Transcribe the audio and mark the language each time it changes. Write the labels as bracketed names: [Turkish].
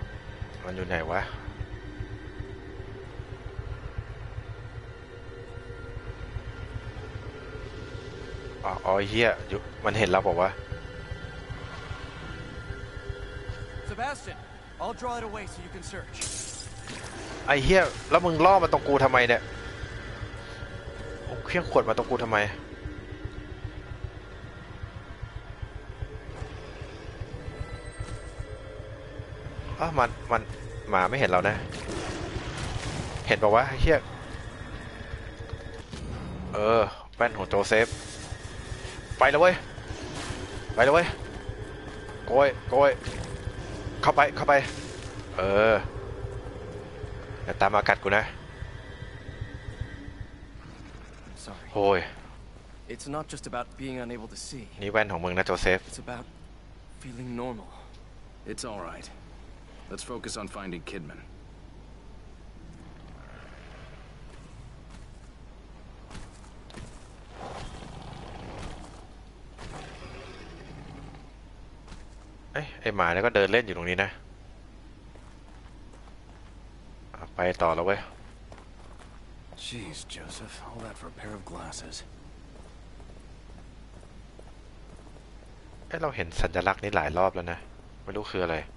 [Thai] อยู่ไหนวะอ๋อเฮียอยู่มันเห็นแล้วบอกว่า [English] Sebastian I'll draw it away so you can search [Thai] ไอ้เฮียแล้วมึงล่อมาตรงกูทำไมเนี่ยเครื่องขวดมาตรงกูทำไม มันหมาไม่เห็นเรานะเห็นบอกว่าเฮียเออแว่นของโจเซฟไปเลยเว้ยไปเลยเว้ยโกยเข้าไปเข้าไปเออจะตามมากัดกูนะโอ้ย [English] It's not just about being unable to see [Thai] นี่แว่นของมึงนะโจเซฟ [English] It's about feeling normal It's all rightLet's focus on finding Kidman. [Thai] เอ้ยไอ้หมาเนี่ยก็เดินเล่นอยู่ตรงนี้นะไปต่อแล้วเว้ย [English] Jeez, Joseph, all that for a pair of glasses. [Thai] เอ้ยเราเห็นสัญลักษณ์นี้หลายรอบแล้วนะไม่รู้คืออะไร